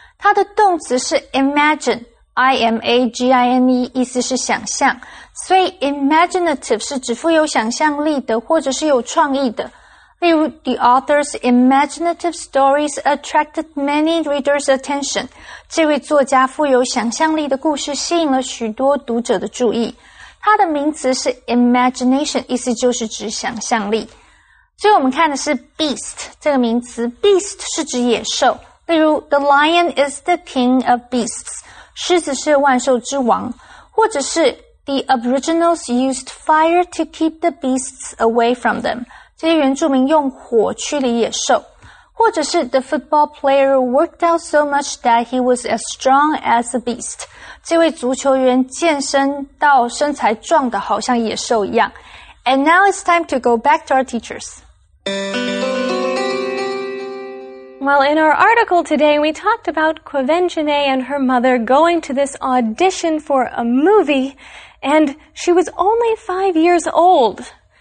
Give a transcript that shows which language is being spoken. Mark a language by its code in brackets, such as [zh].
[zh] 它的动词是 imagine。I-M-A-G-I-N-E, 意思是想象。所以 imaginative 是指富有想象力的或者是有创意的。例如 [en] ,the author's imaginative stories attracted many readers' attention. [zh] 这位作家富有想象力的故事吸引了许多读者的注意。它的名词是 imagination, 意思就是指想象力。所以我们看的是 beast, 这个名词 beast 是指野兽。例如 [en] ,the lion is the king of beasts. [zh] 狮子是万兽之王，或者是 [en] The Aboriginals used fire to keep the beasts away from them. [zh] 这些原住民用火驱离野兽，或者是 [en] The football player worked out so much that he was as strong as a beast. [zh] 这位足球员健身到身材壮得好像野兽一样。 [en] And now it's time to go back to our teachers. Well, in our article today, we talked about Kuvanzanine and her mother going to this audition for a movie, and she was only 5 years old.